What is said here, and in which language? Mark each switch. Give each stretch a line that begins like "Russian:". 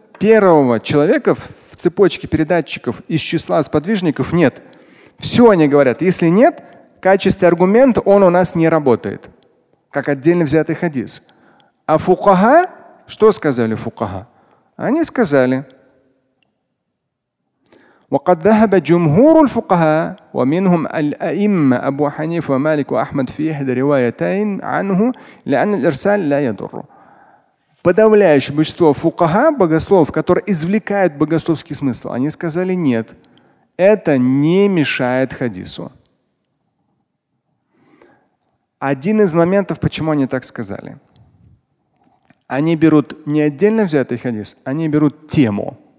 Russian: Первого человека в цепочке передатчиков из числа сподвижников нет. Все они говорят. Если нет, в качестве аргумента он у нас не работает. Как отдельно взятый хадис. А фукаха, что сказали фукаха? Они сказали,
Arabic: وقد ذهب جمهور الفقهاء ومنهم الأئمة أبو حنيفة ومالك وأحمد في إحدى روايتين عنه لأن الإرسال لا يضر.
Russian: Подавляющее большинство фукаха, богословов, которые извлекают богословский смысл, они сказали нет, это не мешает хадису. Один из моментов, почему они так сказали. Они берут не отдельно взятый хадис, они берут тему.